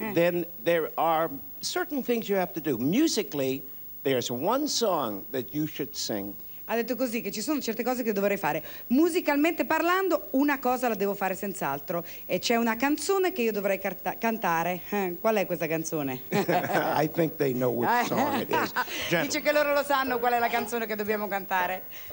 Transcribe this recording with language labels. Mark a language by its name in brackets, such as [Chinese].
[English] Then there are certain things you have to do. Musically, there's one song that you should sing. [Italian] Ha detto così che ci sono certe cose che dovrei fare. Musicalmente parlando, una cosa la devo fare senz'altro. E c'è una canzone che io dovrei cantare. Qual è questa canzone? [English] I think they know which song it is. Gentlemen. [Italian] Dice che loro lo sanno qual è la canzone che dobbiamo cantare.